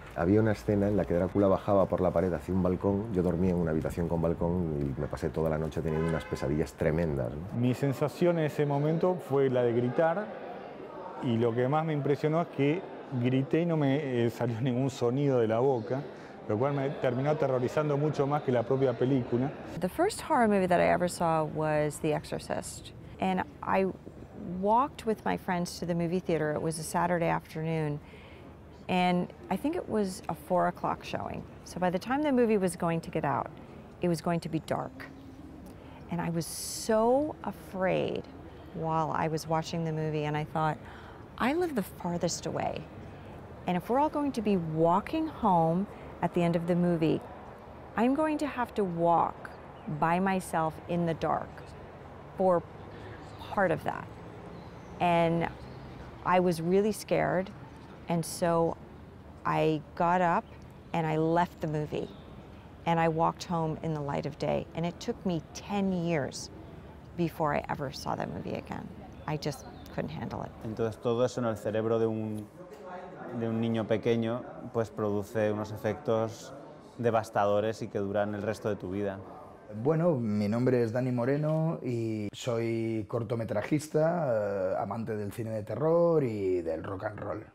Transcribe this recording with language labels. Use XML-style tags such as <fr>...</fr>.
<es>Había una escena en la que Drácula bajaba por la pared hacia un balcón. Yo dormía en una habitación con balcón y me pasé toda la noche teniendo unas pesadillas tremendas, ¿no? Mi sensación en ese momento fue la de gritar, y lo que más me impresionó es que grité y no me salió ningún sonido de la boca, lo cual me terminó aterrorizando mucho más que la propia película.</es> <en>The first horror movie that I ever saw was The Exorcist, and I walked with my friends to the movie theater. It was a Saturday afternoon, and I think it was a 4 o'clock showing. So by the time the movie was going to get out, it was going to be dark, and I was so afraid while I was watching the movie, and I thought, I live the farthest away, and if we're all going to be walking home at the end of the movie, I'm going to have to walk by myself in the dark for part of that. And I was really scared, and so I got up and I left the movie, and I walked home in the light of day, and it took me 10 years before I ever saw that movie again. I just couldn't handle it.</en> <es>Entonces todo eso en el cerebro de un niño pequeño, pues produce unos efectos devastadores y que duran el resto de tu vida. Bueno, mi nombre es Dani Moreno y soy cortometrajista, amante del cine de terror y del rock and roll.</es>